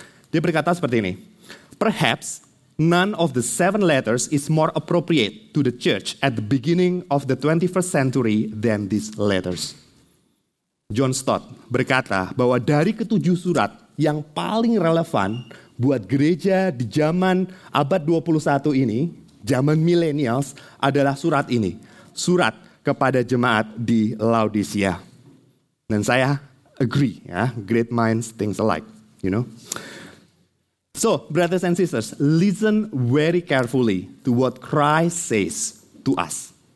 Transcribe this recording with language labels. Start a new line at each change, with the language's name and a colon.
Indonesian: Dia berkata seperti ini,
English: perhaps none of the seven letters is more appropriate to the church at the beginning of the 21st century than these letters.
Indonesian: John Stott berkata bahwa dari ketujuh surat yang paling relevan buat gereja di zaman abad 21 ini, zaman millennials, adalah surat ini. Surat kepada jemaat di Laodicea. Dan saya
English: agree, ya, great minds think alike, you know. So, brothers and sisters, listen very carefully to what Christ says to us.